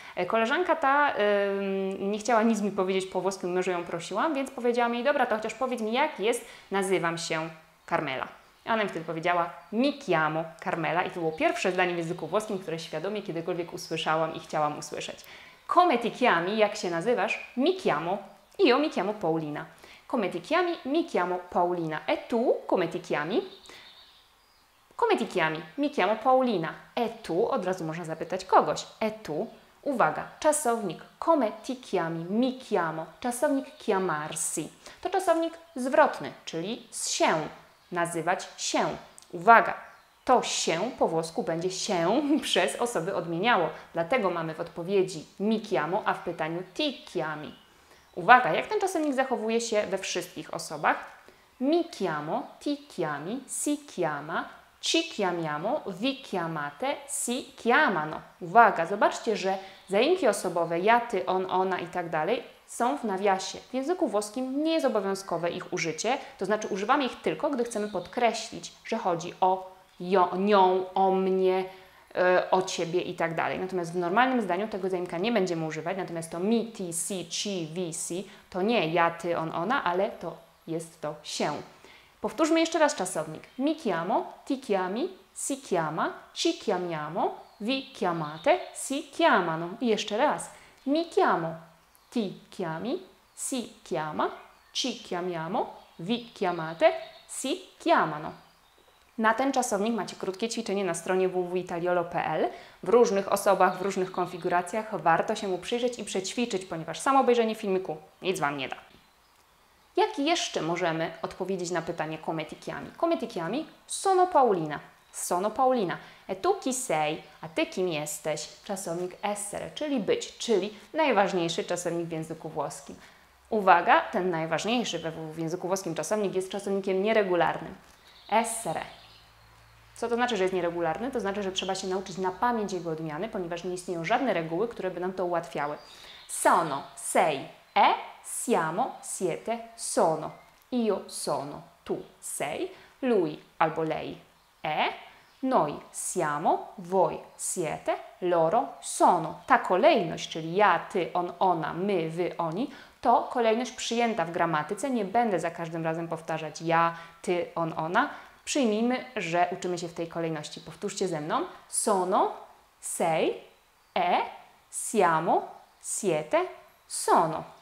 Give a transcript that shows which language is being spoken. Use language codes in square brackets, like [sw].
[pl] Koleżanka ta nie chciała nic mi powiedzieć po włosku, mimo że ją prosiłam, więc powiedziałam jej, dobra, to chociaż powiedz mi, jak jest, nazywam się Carmela. Ona mi wtedy powiedziała, [it] mi chiamo Carmela [pl] i to było pierwsze zdanie w języku włoskim, które świadomie kiedykolwiek usłyszałam i chciałam usłyszeć. [it] Come ti chiami, [pl] jak się nazywasz? [it] Mi chiamo. Io mi chiamo Paulina. Come ti chiami, mi chiamo Paulina. E tu, come ti chiami? Come ti chiami, mi chiamo Paulina. E tu, [pl] od razu można zapytać kogoś. [it] E tu, [pl] uwaga, czasownik. [it] Come ti chiami, mi chiamo. [pl] Czasownik chiamarsi. To czasownik zwrotny, czyli z się. Nazywać się. Uwaga! To się po włosku będzie się przez osoby odmieniało. Dlatego mamy w odpowiedzi [it] mi chiamo, [pl] a w pytaniu [it] ti chiami. [pl] Uwaga! Jak ten czasownik zachowuje się we wszystkich osobach? [it] Mi chiamo, ti chiami, si chiama, ci chiamiamo, vi chiamate, si chiamano. [pl] Uwaga! Zobaczcie, że zaimki osobowe ja, ty, on, ona i tak dalej są w nawiasie. W języku włoskim nie jest obowiązkowe ich użycie, to znaczy używamy ich tylko, gdy chcemy podkreślić, że chodzi o nią, o mnie, o ciebie i tak dalej. Natomiast w normalnym zdaniu tego zaimka nie będziemy używać, natomiast to mi, ti, si, ci, vi, si to nie ja, ty, on, ona, ale to jest to się. Powtórzmy jeszcze raz czasownik. [it] Mi chiamo, ti chiami, si chiama, ci chiamiamo, vi chiamate, si chiamano. [pl] I jeszcze raz. [it] Mi chiamo. Ti chiami, si chiama, ci chiamiamo, vi chiamate, si chiamano. [pl] Na ten czasownik macie krótkie ćwiczenie na stronie www.italiolo.pl. W różnych osobach, w różnych konfiguracjach warto się mu przyjrzeć i przećwiczyć, ponieważ samo obejrzenie filmiku nic Wam nie da. Jak jeszcze możemy odpowiedzieć na pytanie [it] come ti chiami? Come ti chiami? Sono Paulina. Sono Paulina. E tu chi sei? [pl] A ty kim jesteś? Czasownik essere, czyli być, czyli najważniejszy czasownik w języku włoskim. Uwaga, ten najważniejszy w języku włoskim czasownik jest czasownikiem nieregularnym. Essere. Co to znaczy, że jest nieregularny? To znaczy, że trzeba się nauczyć na pamięć jego odmiany, ponieważ nie istnieją żadne reguły, które by nam to ułatwiały. [it] Sono, sei, e, siamo, siete, sono. Io sono, tu sei, lui albo lei. E, noi siamo, voi siete, loro sono. [pl] Ta kolejność, czyli ja, ty, on, ona, my, wy, oni, to kolejność przyjęta w gramatyce. Nie będę za każdym razem powtarzać ja, ty, on, ona. Przyjmijmy, że uczymy się w tej kolejności. Powtórzcie ze mną. [it] Sono, sei, e, siamo, siete, sono.